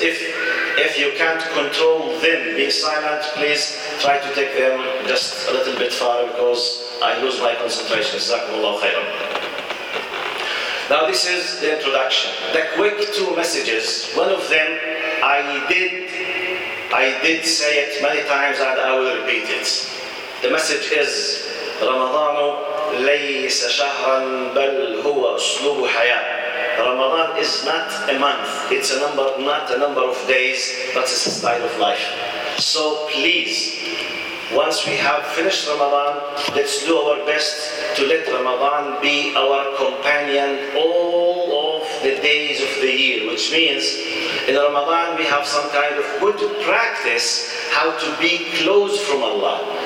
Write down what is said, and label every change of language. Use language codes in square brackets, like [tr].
[en] If you can't control them being silent, please try to take them just a little bit far, because I lose my concentration. Jazakumullahu khairan. Now, this is the introduction. The quick two messages, one of them, I did say it many times and I will repeat it. The message is, Ramadanu [ar] ليس شهرا بل هو اسلوب حياه. [en] Ramadan is not a month, it's a number, not a number of days, but it's a style of life. So please, once we have finished Ramadan, let's do our best to let Ramadan be our companion all of the days of the year, which means in Ramadan we have some kind of good practice how to be close from Allah.